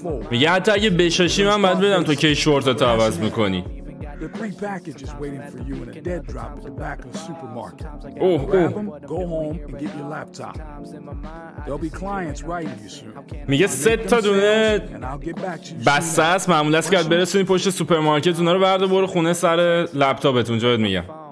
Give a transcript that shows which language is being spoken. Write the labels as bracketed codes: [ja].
[fa] میگه حتی اگه بشاشی من باید بدم تو کی شورت تو عوض میکنی. [en] The three packages waiting for you in a dead drop at the back of the supermarket. Oh, grab them, go home and get your laptop. There'll be clients writing you soon. [fa] میگه سه تا دونه بسته است، معمول است که برسونی پشت سوپرمارکت اونا رو بردار برو خونه سر لپتاپت. اونجا بهت میگم.